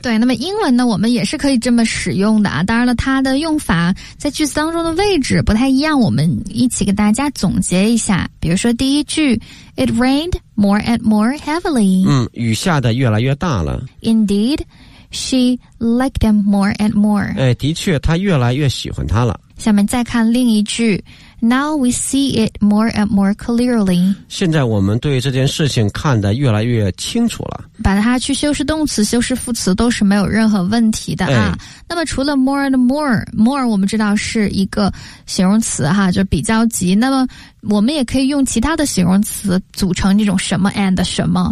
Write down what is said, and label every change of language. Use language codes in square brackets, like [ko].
[zh] 对，那么英文呢我们也是可以这么使用的啊，当然了它的用法在句子当中的位置不太一样，我们一起给大家总结一下。比如说第一句 [en] ,it rained more and more heavily. [zh] 嗯，雨下的越来越大了。 [en] Indeed, she liked him more and more. [zh] 哎，的确她越来越喜欢他了。下面再看另一句。 [en] Now we see it more and more clearly. [zh] 现在我们对这件事情看得越来越清楚了。把它去修饰动词、修饰副词都是没有任何问题的啊。哎、那么除了 more and more, more 我们知道是一个形容词哈，就比较级。那么我们也可以用其他的形容词组成这种什么 and 什么。